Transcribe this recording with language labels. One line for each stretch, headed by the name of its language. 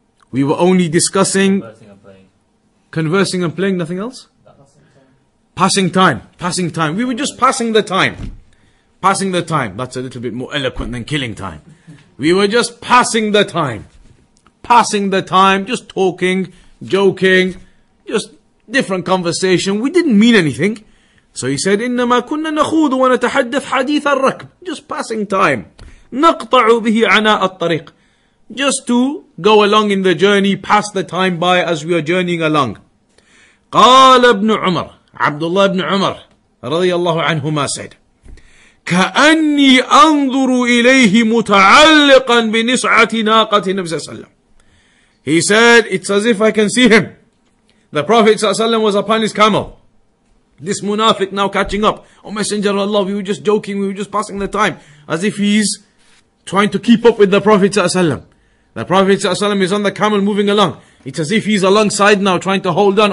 English: We were only discussing, conversing and playing, nothing else? Passing time. We were just passing the time. Passing the time. That's a little bit more eloquent than killing time. We were just passing the time. Passing the time, just talking, joking, just different conversation. We didn't mean anything. So he said,
Arabic: إِنَّمَا كُنَّا نَخُوضُ وَنَتَحَدَّثْ حَدِيثَ الرَّكْبِ.
English: Just passing time.
Arabic: نَقْطَعُ بِهِ عَنَاءَ الطَّرِيقِ.
English: Just to go along in the journey, pass the time by as we are journeying along.
Arabic: قال ابن عمر, Abdullah ibn Umar, رضي الله عنهما, said, كأني أنظر إليه متعلقا بنصعة ناقة النبي صلى الله عليه وسلم.
English: He said, it's as if I can see him. The Prophet صلى الله عليه وسلم was upon his camel. This munafiq now catching up. Oh, Messenger of Allah, we were just joking, we were just passing the time. As if he's trying to keep up with the Prophet صلى الله عليه وسلم. The Prophet ﷺ is on the camel moving along. It's as if he's alongside now trying to hold on.